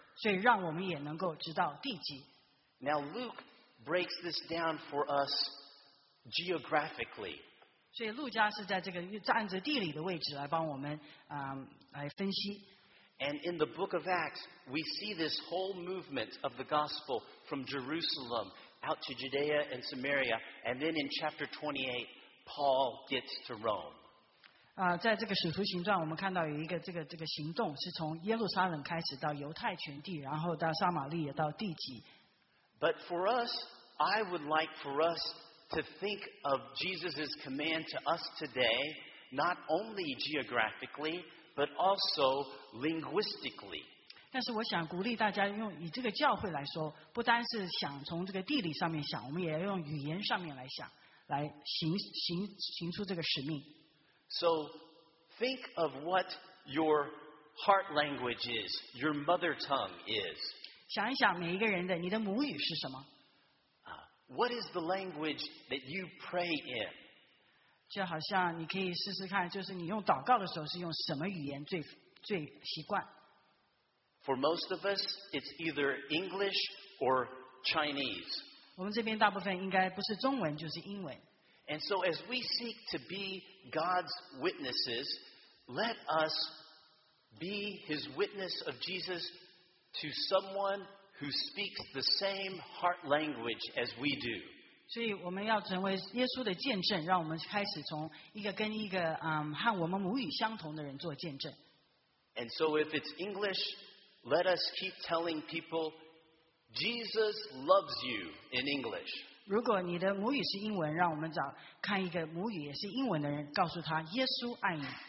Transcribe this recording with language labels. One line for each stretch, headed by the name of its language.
Chinese: 所以让我们也能够直到地极。
English: Now Luke breaks this down for us geographically.
Chinese: 所以路加是在这个按着地理的位置来帮我们来分析。
English: And in the book of Acts, we see this whole movement of the gospel from Jerusalem out to Judea and Samaria. And then in chapter 28, Paul gets to Rome.
Chinese: 在这个使徒行传，我们看到有一个这个行动，是从耶路撒冷开始到犹太全地，然后到撒玛利亚到地极。
English: But for us, I would like for us to think of Jesus' command to us today, not only geographically, but also linguistically.
Chinese: 但是我想鼓励大家用以这个教会来说，不单是想从这个地理上面想，我们也要用语言上面来想，来行出这个使命。
English: So, think of what your heart language is, your mother tongue is.
Chinese: 想一想每一个人的，你的母语是什么？
English: What is the language that you pray in?
Chinese: 就好像你可以试试看，就是你用祷告的时候是用什么语言最习惯？
English: For most of us, it's either English or Chinese.
Chinese: 我们这边大部分应该不是中文就是英文。
English: And so as we seek to be God's witnesses, let us be His witness of Jesus to someone who speaks the same heart language as we do.
Chinese: 所以我们要成为耶稣的见证，让我们开始从一个跟一个和我们母语相同的人做见证。
English: And so if it's English, let us keep telling people, Jesus loves you in English.
Chinese: 如果你的母语是英文，让我们找看一个母语也是英文的人，告诉他耶稣爱你。